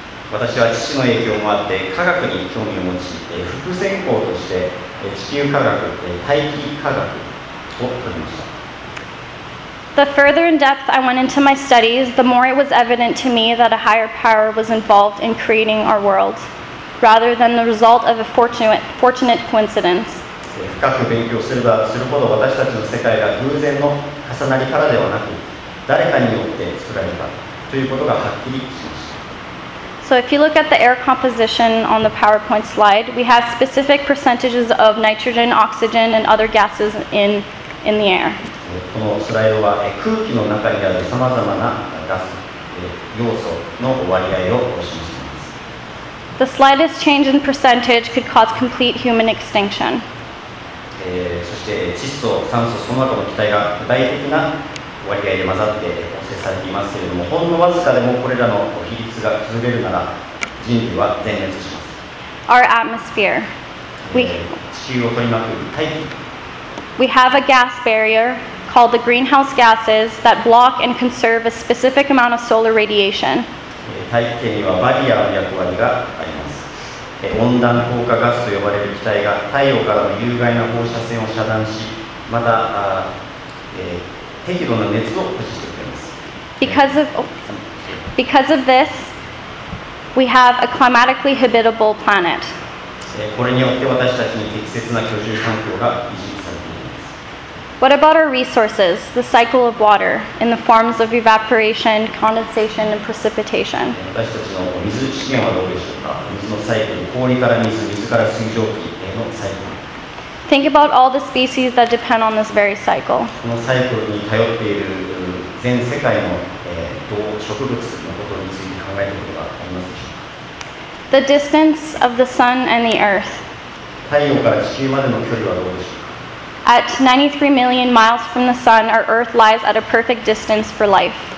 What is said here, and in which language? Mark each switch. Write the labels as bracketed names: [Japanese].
[Japanese] 私は父の影響もあって科学に興味を持ち、副専攻として地球科学、大気科学を取りました。 [English] The further in depth I went into my studies, the more it was evident to me that a higher power was involved in creating our world, rather than the result of a fortunate coincidence. [Japanese] 深く勉強すればするほど私たちの世界が偶然の重なりからではなく、誰かによって作られたということがはっきりしました。 [English] So if you look at the air composition on the PowerPoint slide, we have specific percentages of nitrogen, oxygen, and other gases in the air. [Japanese] このスライドは空気の中にあるさまざまなガス、要素の割合を示しています。 [English] The slightest change in percentage could cause complete human extinction. [Japanese] そして窒素、酸素、その他の気体が具体的な割合で混ざって構成されていますけれども、ほんのわずかでもこれらの比率が崩れるなら、人類は全滅します。 [English] Our atmosphere. [Japanese] 地球を取り巻く大気。 [English] We have a gas barrier called the greenhouse gases that block and conserve a specific amount of solar radiation. [Japanese] 大気圏にはバリアの役割があります。温暖効果ガスと呼ばれる気体が太陽からの有害な放射線を遮断し、また、適度な熱を保持してくれます。 [English] Because of this, we have a climatically habitable planet. [Japanese] これによって私たちに適切な居住環境が維持されています。 [English] What about our resources, the cycle of water, in the forms of evaporation, condensation, and precipitation? [Japanese] 私たちの水資源はどうでしょうか？水のサイクル、氷から水、水から水蒸気へのサイクル。 [English] Think about all the species that depend on this very cycle. [Japanese] このサイクルに頼っている全世界の動植物のことについて考えることがありますでしょうか。 [English] The distance of the sun and the earth. [Japanese] 太陽から地球までの距離はどうでしょうか。 [English] At 93 million miles from the sun, our earth lies at a perfect distance for life.